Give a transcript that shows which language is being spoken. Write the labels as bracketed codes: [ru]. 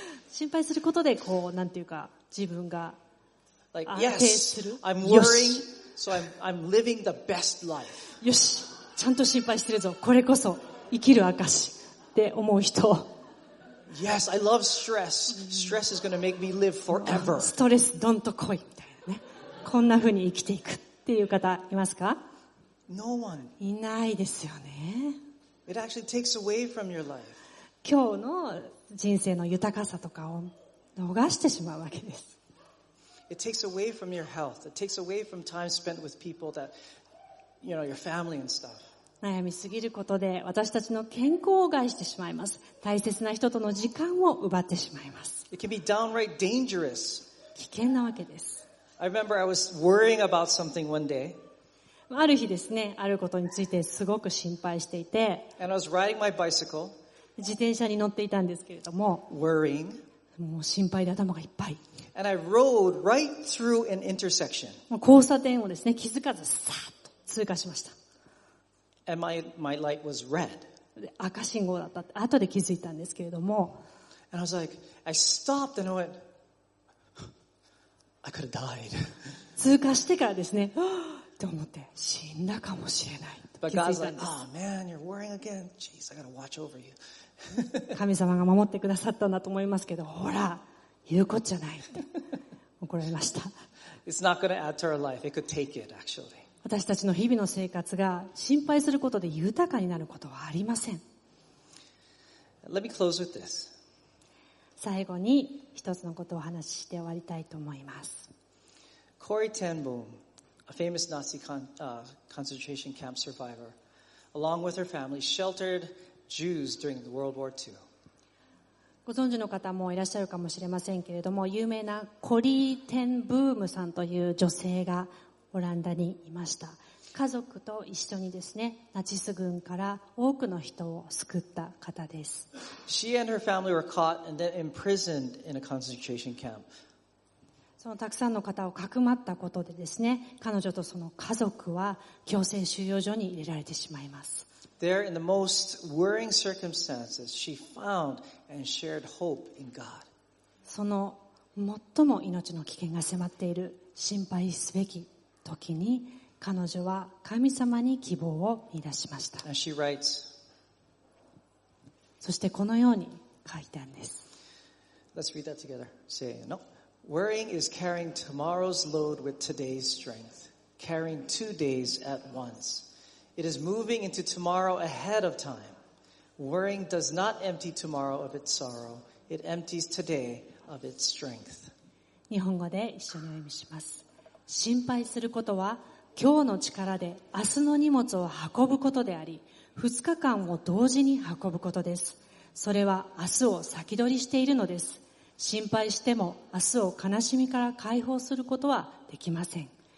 [ja] 心配することでこう、なんていうか、自分が安定する。 [en] Like, yes, I'm worrying, so I'm living the best life. [ja] よし、ちゃんと心配してるぞ。これこそ生きる証って思う人。 [en] Yes, I love stress. Stress is going to make me live forever. [ja] ストレスどんと来いみたいなね。こんな風に生きていくっていう方いますか？ [en] No one. [ja] いないですよね。 [en] It actually takes away from your life. [ja] 今日の人生の豊かさとかを逃してしまうわけです。 [en] It takes away from your health. It takes away from time spent with people that, you know, your family and stuff. [ja] 悩みすぎることで私たちの健康を害してしまいます。大切な人との時間を奪ってしまいます。 [en] It can be downright dangerous. [ja] 危険なわけです。 [en] I remember I was worrying about something one day. [ja] ある日ですね、あることについてすごく心配していて、 [en] And I was riding my bicycle. [ja] 自転車に乗っていたんですけれども、 [en] Worrying. [ja] もう心配で頭がいっぱい。 [en] And I rode right through an intersection. [ja] 交差点をですね、気づかずさーっと通過しました。 [en] And my light was red. [ja] 赤信号だった。後で気づいたんですけれども。 [en] And I was like, I stopped and I went, I could have died. [ja] 通過してからですね、と思って死んだかもしれない。 [en] But God's like, oh man, you're worrying again. Jeez, I gotta watch over you. [ja] 神様が守ってくださったんだと思いますけど、ほら、言うこっちゃないって怒られました。 [en] It's not gonna add to our life. It could take it, actually. [ja] 私たちの日々の生活が心配することで豊かになることはありません。 [en] Let me close with this. [ja] 最後に一つのことをお話しして終わりたいと思います。 [en] Corrie Ten Boom, a famous Nazi concentration camp survivor, along with her family, sheltered Jews during the World War II. [ja] ご存知の方もいらっしゃるかもしれませんけれども、有名なコリー・テン・ブームさんという女性がオランダにいました。家族と一緒にですね、ナチス軍から多くの人を救った方です。 [en] She and her family were caught and then imprisoned in a concentration camp. [ja] そのたくさんの方をかくまったことでですね、彼女とその家族は強制収容所に入れられてしまいます。 [en] There in the most worrying circumstances, she found and shared hope in God. [ja] その最も命の危険が迫っている心配すべき時に彼女は神様に希望を見出しました。 [en] And she writes, [ja] そしてこのように書いたんです。 [en] Let's read that together. Say no. Worrying is carrying tomorrow's load with today's strength, carrying two days at once. It is moving into tomorrow ahead of time. Worrying does not empty tomorrow of its sorrow. It empties today of its strength. [ja] 日本語で一緒に読みします。心配することは今日の力で明日の荷物を運ぶことであり、二日間を同時に運ぶことです。それは明日を先取りしているのです。心配しても明日を悲しみから解放することはできません。